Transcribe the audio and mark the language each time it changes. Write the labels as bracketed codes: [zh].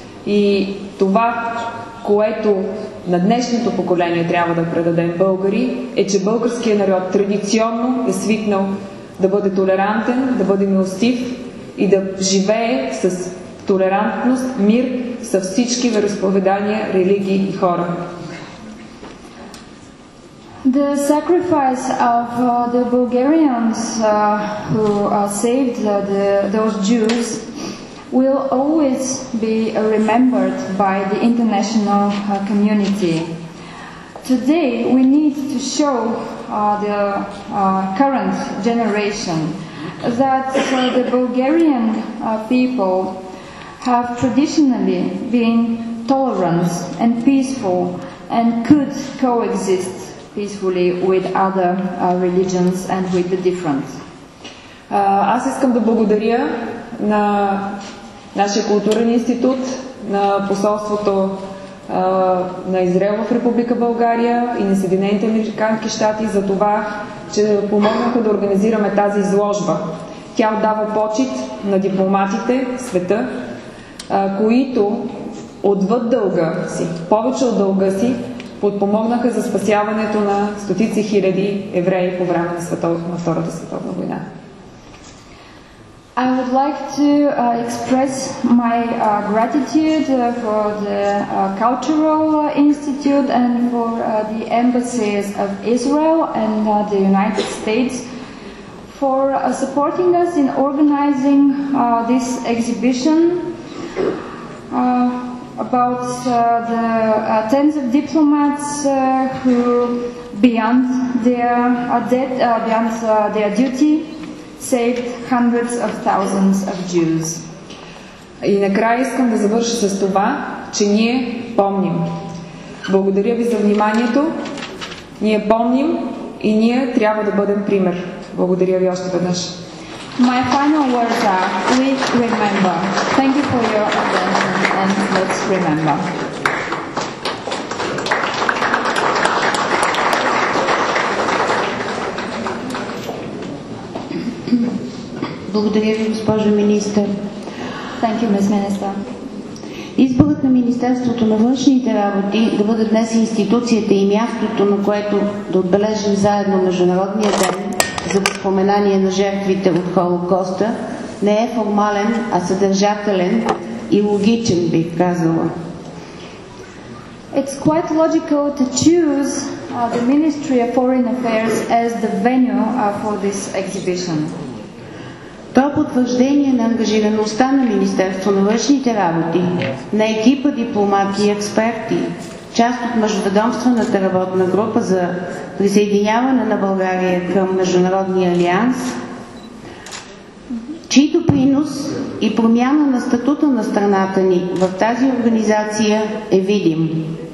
[bg] И това, което на днешното поколение трябва да предадем българи, е, че българският народ традиционно е свикнал да бъде толерантен, да бъде милостив и да живее с толерантност, мир с всички вероисповедания, религии и хора. [en] The sacrifice of the Bulgarians who saved those Jews will always be remembered by the international community. Today we need to show the current generation that the Bulgarian people have traditionally been tolerant and peaceful and could coexist peacefully with other religions and with the different. [bg] Аз искам да благодаря на нашия културен институт, на посолството на Израел в Република България и на Съединените американски щати за това, че помогнаха да организираме тази изложба. Тя отдава почит на дипломатите в света, които отвъд дълга си, повече от дълга си, подпомогнаха за спасяването на стотици хиляди евреи по време на Втората световна война. [en] I would like to express my gratitude for the Cultural Institute and for the embassies of Israel and the United States for supporting us in organizing this exhibition about the tens of diplomats who beyond their duty saved hundreds of thousands of Jews. [bg] И накрая искам да завърша с това, че ние помним. Благодаря ви за вниманието. Ние помним и ние трябва да бъдем пример. Благодаря ви още веднъж. [en] My final words are, we remember. Thank you for your attention and let's remember. [bg] Благодаря ви, госпожо министър. [en] Thank you, Ms. Minister. [bg] Изборът на Министерството на външните работи да бъде днес институцията и мястото, на което да отбележим заедно Международния ден за споменание на жертвите от Холокоста, не е формален, а съдържателен и логичен, бих казала. [en] It's quite logical to choose the Ministry of Foreign Affairs as the venue for this exhibition. [bg] То е потвърждение на ангажираността на Министерство на външните работи, на екипа дипломати и експерти, част от Междуведомствената работна група за присъединяване на България към Международния алианс, чийто принос и промяна на статута на страната ни в тази организация е видим.